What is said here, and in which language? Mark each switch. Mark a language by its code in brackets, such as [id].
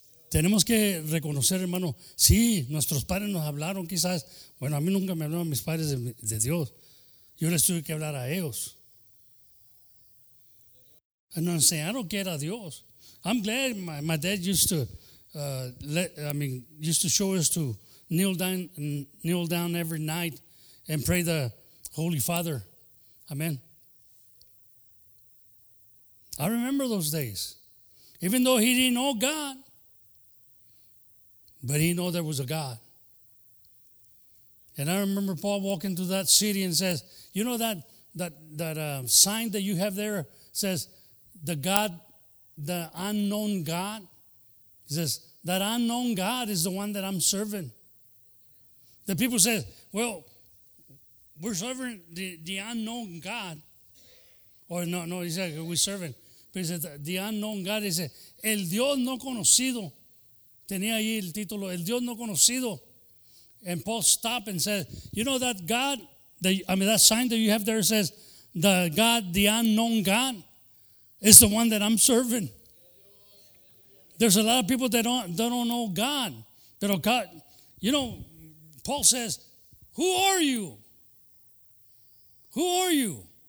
[es] Tenemos que reconocer, hermano, sí, nuestros padres nos hablaron quizás, bueno, a mí nunca me hablaron mis padres de Dios, yo les tuve que hablar a ellos. Nos enseñaron que era Dios. [en] I'm glad my dad used to show us to kneel down every night and pray the Holy Father. Amen. I remember those days. Even though he didn't know God, but he knew there was a God. And I remember Paul walking to that city and says, you know that sign that you have there says, the God, the unknown God, he says, that unknown God is the one that I'm serving. The people say, well, we're serving the unknown God. Or no, he said, we're serving. But he said, the unknown God, he said, [es] el Dios no conocido. Tenía ahí el título, el Dios no conocido. [en] And Paul stopped and said, you know that God, that sign that you have there says, the God, the unknown God. It's the one that I'm serving. There's a lot of people that don't know God. But God, you know, Paul says, who are you? Who are you?